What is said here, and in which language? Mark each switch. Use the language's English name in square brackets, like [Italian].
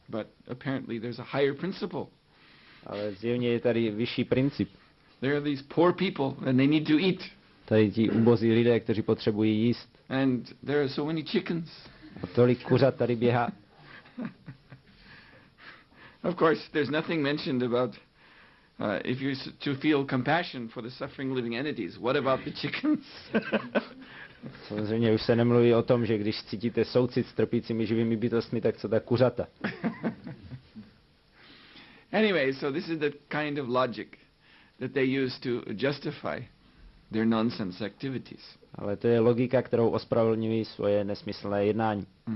[English] But apparently there's a higher principle. [Czech] Ale zjevně je tady vyšší princip. [English] There are these poor people and they need to eat. [Czech] Tady ti ubozí lidé, kteří potřebují jíst. [English] And there are so many chickens. [Czech] A tolik kuřat tady běhá. [English] Of course, there's nothing mentioned about if you're to feel compassion for the suffering living entities, what about the chickens? [Czech] Samozřejmě už se nemluví o tom, že když cítíte soucit s trpícími živými bytostmi, tak co ta kuřata? [English] Anyway, so this is the kind of logic that they use to justify their nonsense activities. [Czech] Ale to je logika, kterou ospravedlňují svoje nesmyslné jednání.